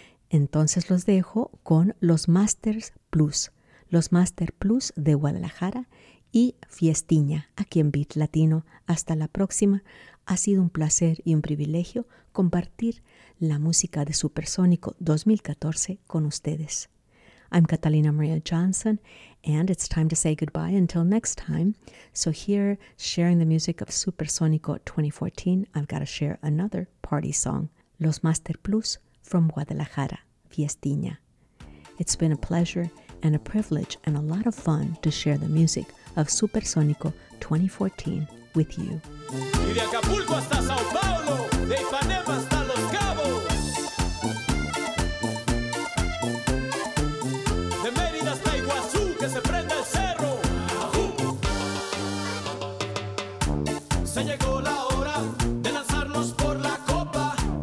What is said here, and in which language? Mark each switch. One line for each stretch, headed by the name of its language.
Spanish: Entonces los dejo con los Master Plus de Guadalajara y Fiestiña, aquí en Beat Latino. Hasta la próxima. Ha sido un placer y un privilegio compartir la música de Supersónico 2014 con ustedes.
English: I'm Catalina Maria Johnson, and it's time to say goodbye until next time. So here, sharing the music of Supersónico 2014, I've got to share another party song, Los Master Plus from Guadalajara, Fiestiña. It's been a pleasure and a privilege and a lot of fun to share the music of Supersónico 2014 with you.
Spanish: Y de Acapulco hasta Sao Paulo, de Ipanema hasta Los Cabos. De Mérida hasta Iguazú, que se prenda el cerro. ¡Ajú! Se llegó la hora de lanzarlos por la copa.